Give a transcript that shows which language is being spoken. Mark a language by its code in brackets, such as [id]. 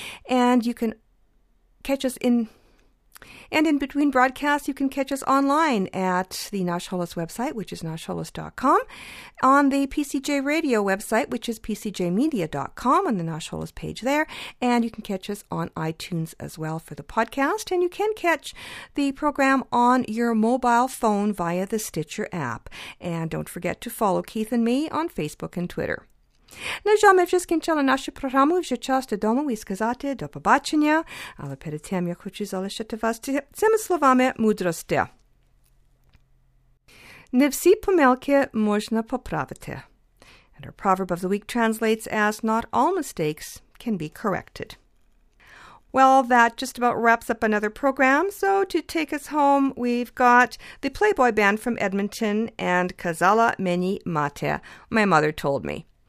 [en] And you can catch us in... And in between broadcasts, you can catch us online at the Nash Holos website, which is nashholos.com, on the PCJ Radio website, which is pcjmedia.com, on the Nash Holos page there, and you can catch us on iTunes as well for the podcast, and you can catch the program on your mobile phone via the Stitcher app. And don't forget to follow Keith and me on Facebook and Twitter. [uk] На жаль, вже скінчили нашу програму, вже час додому і сказати до побачення, але перед тим я хочу залишити вас цими словами мудрості. Не всі помилки можна поправити. [en] And our proverb of the week translates as, not all mistakes can be corrected. Well, that just about wraps up another program. So to take us home, we've got the Playboy Band from Edmonton and Kazala Meni Mate, My Mother Told Me.